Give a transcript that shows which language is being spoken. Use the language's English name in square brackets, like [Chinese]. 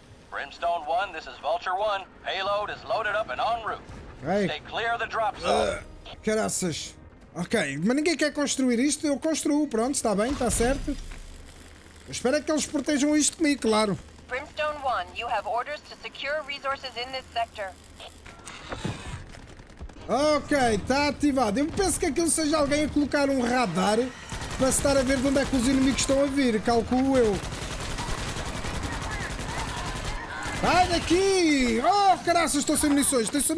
[English] Brimstone 1, this is Vulture 1. Payload is loaded up and en route. Okay. Stay clear of the drop zone. [Portuguese] Caraças. Ok, mas ninguém quer construir isto. Eu construo. Pronto, está bem, está certo. Eu espero que eles protejam isto comigo, claro. [English] Brimstone 1, you have orders to secure resources in this sector. [Portuguese] Ok, está ativado. Eu penso que aquilo seja alguém a colocar um radar para estar a ver de onde é que os inimigos estão a vir, calculo eu. Vai daqui! Oh, caraças, estou sem munições!